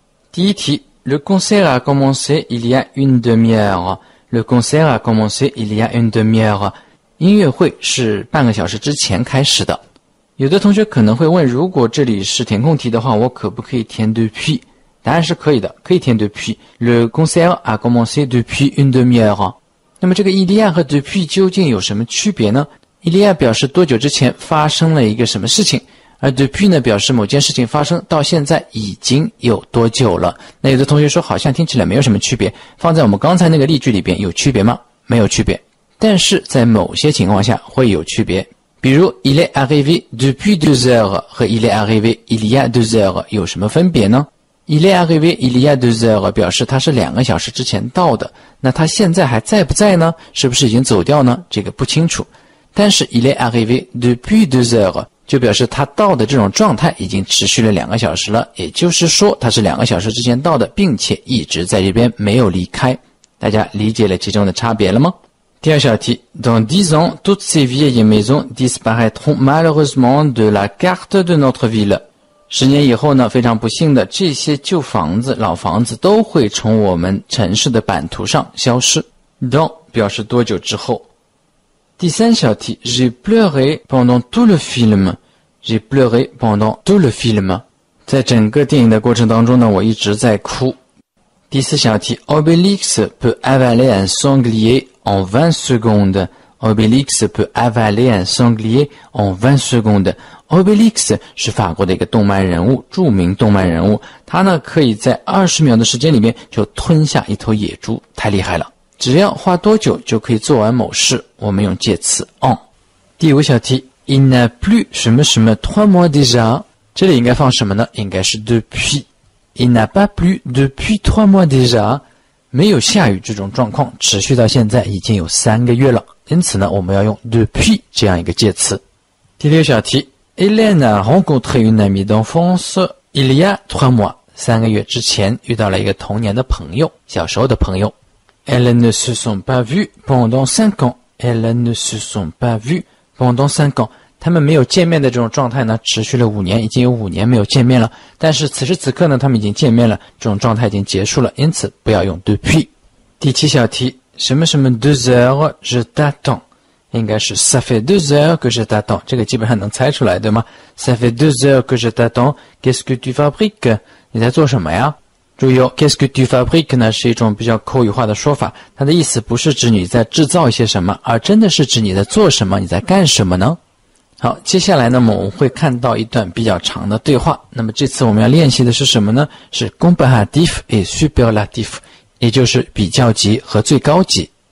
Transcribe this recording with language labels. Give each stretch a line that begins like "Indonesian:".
Chinese: 第一题
French: Le concert a commencé il y a une demi-heure. Le concert a commencé il y a une demi-heure.
Chinese: 音乐会是半个小时之前开始的。有的同学可能会问，如果这里是填空题的话，我可不可以填 depuis？答案是可以的，可以填 depuis。
French: Le concert a commencé depuis une demi-heure.
Chinese: 那么这个 il y a 和 depuis 究竟有什么区别呢？il y a 表示多久之前发生了一个什么事情，而 depuis 呢，表示某件事情发生到现在已经有多久了。那有的同学说，好像听起来没有什么区别，放在我们刚才那个例句里边有区别吗？没有区别，但是在某些情况下会有区别。比如
French: il est arrivé depuis deux heures 和 il est arrivé il y a deux heures
Chinese: 有什么分别呢？
French: il est arrivé il y a deux heures
Chinese: 表示他是两个小时之前到的，那他现在还在不在呢？是不是已经走掉呢？这个不清楚。但是
French: il est arrivé depuis deux heures
Chinese: 就表示他到的这种状态已经持续了两个小时了，也就是说他是两个小时之前到的，并且一直在这边没有离开。大家理解了其中的差别了吗？第二小题
French: Dans 10 ans, toutes ces vieilles maisons disparaîtront malheureusement de la carte de notre ville.
Chinese: 十年以后呢，非常不幸的，这些旧房子老房子都会从我们城市的版图上消失。 Dans 表示多久之后。第三小题
French: J'ai pleuré pendant tout le film. J'ai pleuré pendant tout le film.
Chinese: 在整个电影的过程当中呢，我一直在哭。第四小题
French: Obélix peut avaler un sanglier en 20 secondes. Obélix peut avaler un sanglier en 20 secondes.
Chinese: Obélix 是法国的一个动漫人物，著名动漫人物，他呢可以在20秒的时间里面就吞下一头野猪，太厉害了。只要花多久就可以做完某事，我们用介词 on。第五小题
French: il n'a plus
Chinese: 什么什么
French: trois mois déjà，
Chinese: 这里应该放什么呢？应该是 depuis。
French: il n'a pas plu depuis trois mois déjà，
Chinese: 没有下雨这种状况持续到现在已经有三个月了，因此呢我们要用 depuis 这样一个介词。第六小题
French: Hélène a rencontré une amie d'enfance il y a 3 mois.
Chinese: 3个月之前, 遇到了一个童年的朋友, 小时候的朋友.
French: Elles ne se sont pas vues pendant 5 ans. Elles ne se sont pas vues pendant 5 ans.
Chinese: 他们没有见面的这种状态呢, 持续了5年, 已经有5年没有见面了, 但是此时此刻呢, 他们已经见面了, 这种状态已经结束了, 因此不要用depuis. 第7小题, 什么什么
French: 2 heures, je t'attends.
Chinese: 应该是,
French: ça fait 2 heures que je t'attends.
Chinese: 这个基本上能猜出来, 对吗?
French: Ça fait 2 heures que je t'attends. Qu'est-ce que tu fabriques?
Chinese: 你在做什么呀? 注意哦,
French: qu'est-ce que tu fabriques
Chinese: 呢, 是一种比较口语化的说法, 它的意思不是指你在制造一些什么, 而真的是指你在做什么, 你在干什么呢? 好, 接下来呢, 我们会看到一段比较长的对话, 那么这次我们要练习的是什么呢? 是 comparatif et superlatif, 也就是比较级和最高级。